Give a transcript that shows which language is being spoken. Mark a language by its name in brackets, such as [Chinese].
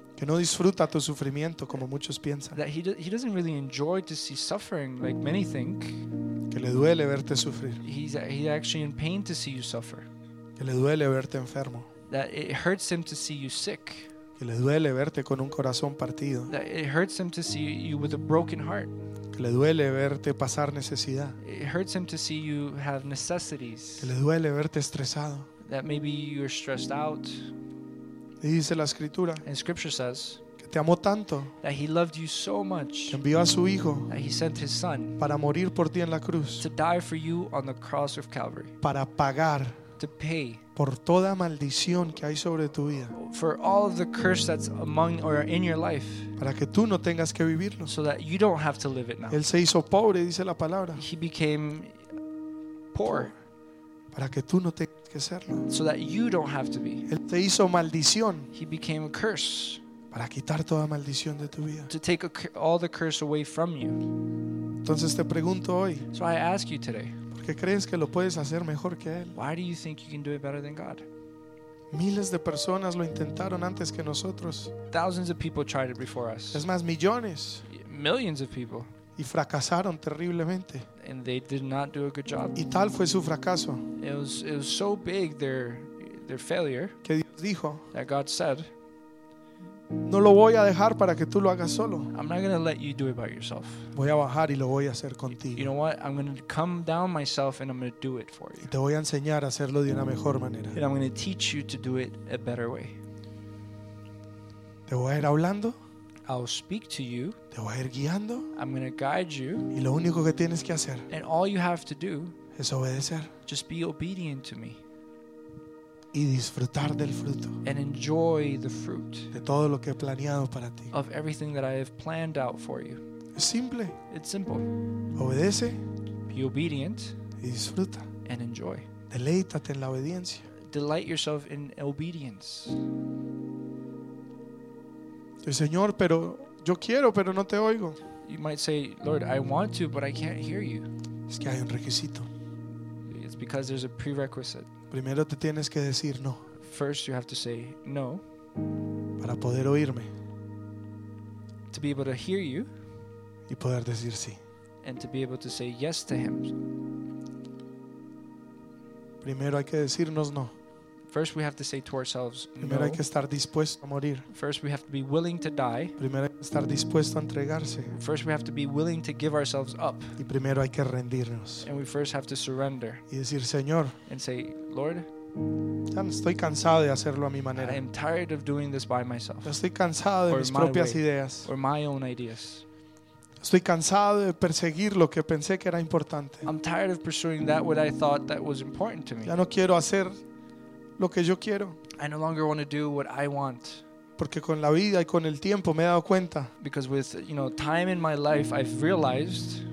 [Spanish] Que no disfruta tu sufrimiento como muchos piensan. [English] That he doesn't really enjoy to see suffering like many think. [Spanish] Que le duele verte sufrir. [English] He's actually in pain to see you suffer. [Spanish] Que le duele verte enfermo. [English] That it hurts him to see you sick. [Spanish] Que le duele verte con un corazón partido. [English] That it hurts him to see you with a broken heart. [Spanish] Que le duele verte pasar necesidad. [English] It hurts him to see you have necessities. [Spanish] Que le duele verte estresado. [English] That maybe you're stressed out. [Spanish] Y dice la escritura. [English] And scripture says. [Spanish] Que te amó tanto. [English] That he loved you so much. [Spanish] Que envió a su hijo. [English] That he sent his son. [Spanish] Para morir por ti en la cruz. [English] To die for you on the cross of Calvary. [Spanish] Para pagar. [English] To pay [Spanish] por toda maldición que hay sobre tu vida, [English] for all of the curse that's among or in your life, [Spanish] para que tú no tengas que vivirlo, [English] so that you don't have to live it now. [Spanish] Él se hizo pobre, dice la palabra. [English] He became poor [Spanish] para que tú no tengas que serlo, [English] so that you don't have to be. [Spanish] Él te hizo maldición. [English] He became a curse [Spanish] para quitar toda maldición de tu vida, [English] to take all the curse away from you. [Spanish] Entonces te pregunto hoy. [English] So I ask you today. [Spanish] ¿Qué crees que lo puedes hacer mejor que él? [English] Why do you think you can do it better than God? [Spanish] Miles de personas lo intentaron antes que nosotros. [English] Thousands of people tried it before us. [Spanish] Es más, millones. [English] Millions of people. [Spanish] Y fracasaron terriblemente. [English] And they did not do a good job. [Spanish] Y tal fue su fracaso. [English] It was so big their failure. [Spanish] Que Dios dijo. [English] That God said. [Spanish] No lo voy a dejar para que tú lo hagas solo. [English] I'm not going to let you do it by yourself. [Spanish] Voy a bajar y lo voy a hacer contigo. [English] You know what? I'm going to come down myself and I'm going to do it for you. [Spanish] Y te voy a enseñar a hacerlo de una mejor manera. [English] And I'm going to teach you to do it a better way. [Spanish] Te voy a ir hablando. [English] I'll speak to you. [Spanish] Te voy a ir guiando. [English] I'm going to guide you. [Spanish] Y lo único que tienes que hacer. [English] And all you have to do. [Spanish] Es obedecer. [English] Just be obedient to me. [Spanish] Y disfrutar del fruto. [English] And enjoy the fruit. [Spanish] De todo lo que he planeado para ti. [English] Of everything that I have planned out for you. [Spanish] Es simple. [English] It's simple. [Spanish] Obedece. [English] Be obedient. [Spanish] Y disfruta. [English] And enjoy. [Spanish] Deleítate en la obediencia. [English] Delight yourself in obedience. [Spanish] El Señor, pero yo quiero, pero no te oigo. [English] You might say, Lord, I want to, but I can't hear you. [Spanish] Es que hay un requisito. [English] It's because there's a prerequisite. [Spanish] Primero te tienes que decir no. [English] First you have to say no. [Spanish] Para poder oírme. [English] To be able to hear you. [Spanish] Y poder decir sí. [English] And to be able to say yes to him. [Spanish] Primero hay que decirnos no. [English] First we have to say to ourselves [Spanish] primero no. Primero hay que estar dispuesto a morir. [English] First we have to be willing to die. [Spanish] Primero hay que estar dispuesto a entregarse. [English] First we have to be willing to give ourselves up. [Spanish] Y primero hay que rendirnos. [English] And we first have to surrender. [Spanish] Y decir, Señor, [English] and say, Lord, [Spanish] ya estoy cansado de hacerlo a mi manera. [English] I am tired of doing this by myself. [Spanish] Estoy cansado de mis propias ideas. [English] Or my own ideas. [Spanish] Estoy cansado de perseguir lo que pensé que era importante. [English] I'm tired of pursuing that what I thought that was important to me. [Spanish] Ya no quiero hacer lo que yo quiero. [English] I no longer want to do what I want. [Spanish] Porque con la vida y con el tiempo me he dado cuenta. [English] Because with, you know, time in my life, I've realized